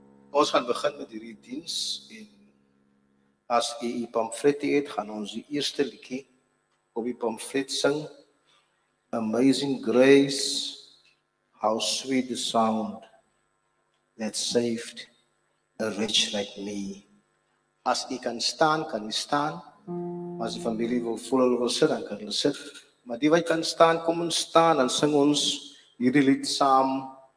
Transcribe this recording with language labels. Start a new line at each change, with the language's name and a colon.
Afrikaans: Ons gaan begin met hierdie diens en as jy die pamflet het, gaan ons die eerste liedjie op die pamflet sing.
English: Amazing Grace, how sweet the sound that saved a wretch like me.
Afrikaans: As jy kan staan, kan jy staan. As die familie wil voel, hulle wil sit, dan kan hulle sit. Maar die wat kan staan, kom ons staan en sing ons hierdie lied saam.